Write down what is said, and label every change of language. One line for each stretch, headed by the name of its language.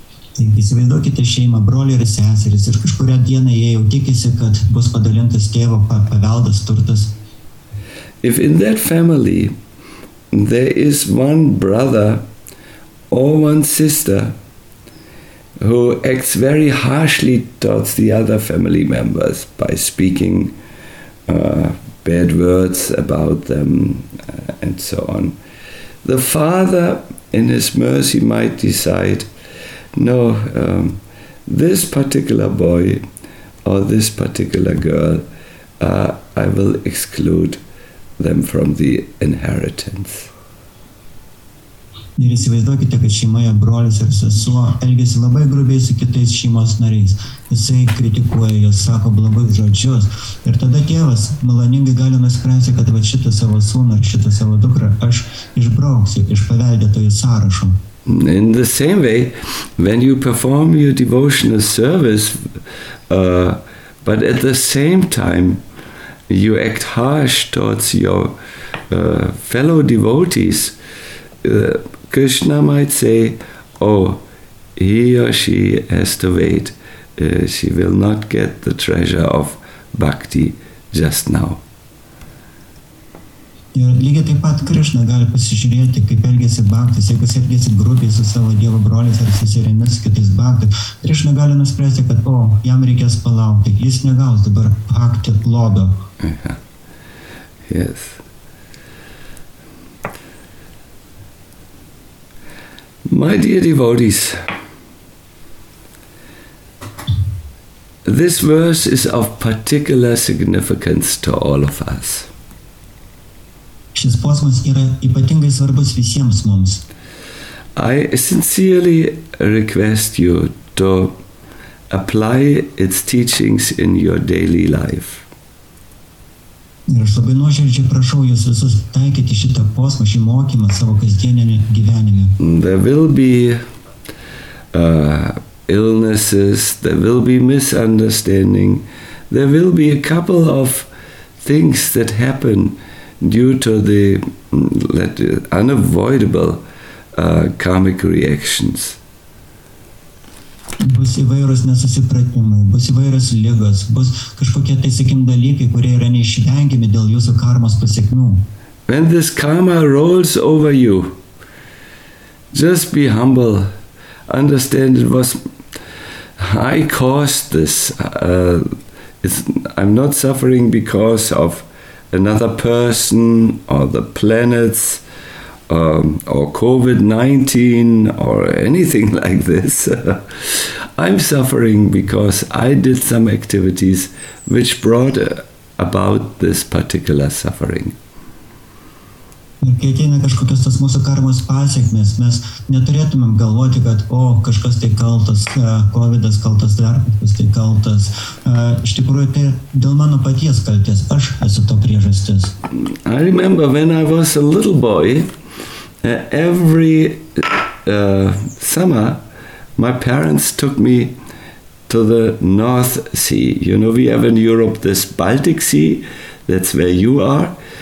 Lithuanian: Taigi įsivaizduokite šeimą, brolį ir seseris, ir kažkurią dieną jie jau tikisi, kad bus padalintas tėvo paveldas turtas.
English: If in that family there is one brother or one sister who acts very harshly towards the other family members by speaking bad words about them and so on, the father in his mercy might decide, no, this particular boy or this particular girl, I will exclude them from the inheritance.
Lithuanian: Ir įsivaizduokite, kad šeimoje brolis ir sesuo elgiasi labai grubiai su kitais šeimos nariais. Jisai kritikuoja juos, sako blogus žodžius. Ir tada tėvas maloningai gali nuspręsti, kad va šitą savo sūną ar šitą savo dukrą aš išbrauksiu iš paveldėtojų sąrašo.
English: In the same way, when you perform your devotional service, but at the same time you act harsh towards your fellow devotees, Krishna might say, oh, he or she has to wait. She will not get the treasure of bhakti just now.
Lithuanian: Ir lygiai taip pat Krišna gali pasižiūrėti, kaip elgiasi bhaktis, jeigu jis elgiasi grubiai su savo dievo broliais ar seserimis, kitais bhaktis. Krišna gali nuspręsti, kad o, jam reikės palaukti, jis negaus dabar bhakti lobio.
English: Uh-huh. Yes. My dear devotees, this verse is of particular significance to all of us.
Lithuanian: Šis posmas yra ypatingai svarbus visiems mums.
English: I sincerely request you to apply its teachings in your daily life.
Lithuanian: Ir aš labai nuoširdžiai prašau jūs visus taikyti šitą posmą, šį mokymą savo kasdieniame gyvenime.
English: There will be illnesses, there will be misunderstanding, there will be a couple of things that happen due to the unavoidable karmic reactions.
Lithuanian: Bus įvairūs nesusipratimai, bus įvairūs ligos, bus kažkokie taisykim dalykai, kurie yra neišvengiami dėl jūsų karmos pasiekmių.
English: When this karma rolls over you, just be humble, understand it was, I caused this, I'm not suffering because of another person, or the planets, or COVID-19, or anything like this. I'm suffering because I did some activities which brought about this particular suffering.
Lithuanian: Ir kai ateina kažkokios tos mūsų karmos pasiekmės, mes neturėtumėm galvoti, kad o, kažkas tai kaltas, COVID-as kaltas, dar kas tai kaltas. Iš tikrųjų, tai dėl mano paties kaltės, aš esu to priežastis.
English: I remember when I was a little boy, every summer, my parents took me to the North Sea. You know, we have in Europe this Baltic Sea, that's where you are.